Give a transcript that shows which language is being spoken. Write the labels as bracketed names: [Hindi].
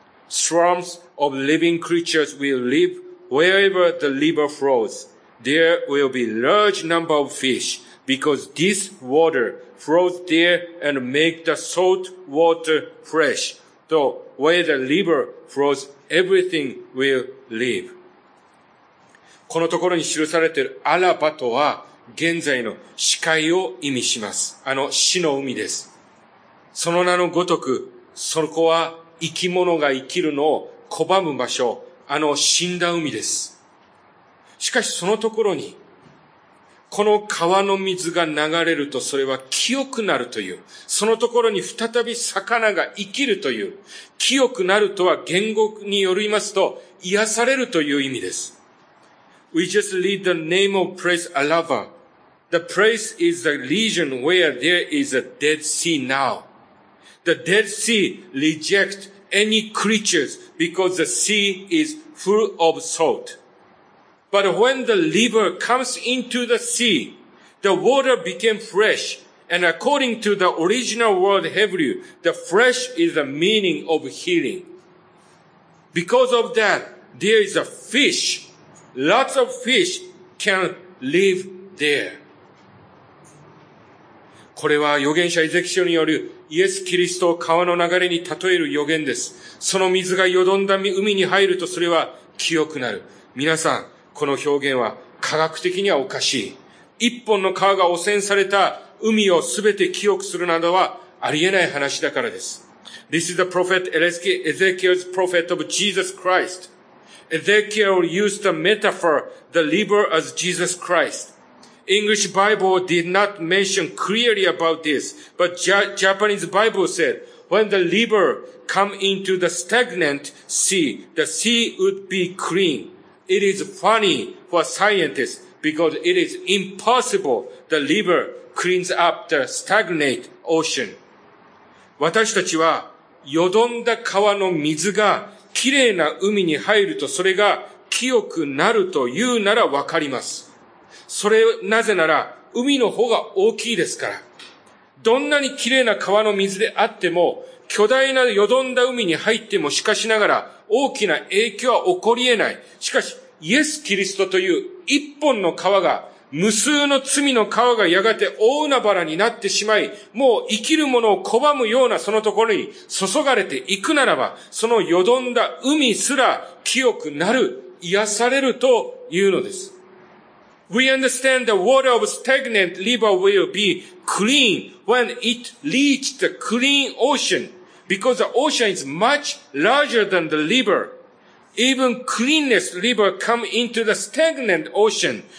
[English] Swarms of living creatures will liveWherever the river flows, there will be large number of fish, because this water flows there and make the salt water fresh. So where the river flows, everything will live. [Japanese] このところに記されているアラバとは現在の死海を意味します。あの死の海です。その名のごとく、そこは生き物が生きるのを拒む場所。あの死んだ海です。しかしそのところに、この川の水が流れるとそれは清くなるという、そのところに再び魚が生きるという、清くなるとは言語によりますと癒されるという意味です。 [English] We just read the name of place Arava. The place is the region where there is a dead sea now. The Dead Sea rejects any creatures because the sea is full of salt. But when the river comes into the sea, the water became fresh. And according to the original word Hebrew, the fresh is the meaning of healing. Because of that, there is a fish. Lots of fish can live there. [Japanese] これは預言者エゼキシオによるイエス・キリストを川の流れに例える預言です。その水が淀んだ海に入るとそれは清くなる。皆さん、この表現は科学的にはおかしい。一本の川が汚染された海をすべて清くするなどはありえない話だからです。 [English] This is the prophet Ezekiel's prophet of Jesus Christ. Ezekiel used the metaphor the river as Jesus Christ. English Bible did not mention clearly about this, but Japanese Bible said, when the river come into the stagnant sea, the sea would be clean. It is funny for scientists because it is impossible the river cleans up the stagnant ocean. [Japanese] 私たちは、よどんだ川の水がきれいな海に入るとそれが清くなると言うならわかります。それ、なぜなら海の方が大きいですから。どんなにきれいな川の水であっても、巨大なよどんだ海に入ってもしかしながら大きな影響は起こり得ない。しかし、イエス・キリストという一本の川が無数の罪の川がやがて大海原になってしまい、もう生きるものを拒むようなそのところに注がれていくならば、そのよどんだ海すら清くなる、癒されるというのです。 [English] We understand the water of stagnant river will be clean when it reaches the clean ocean, because the ocean is much larger than the river. Even cleanest river come into the stagnant ocean.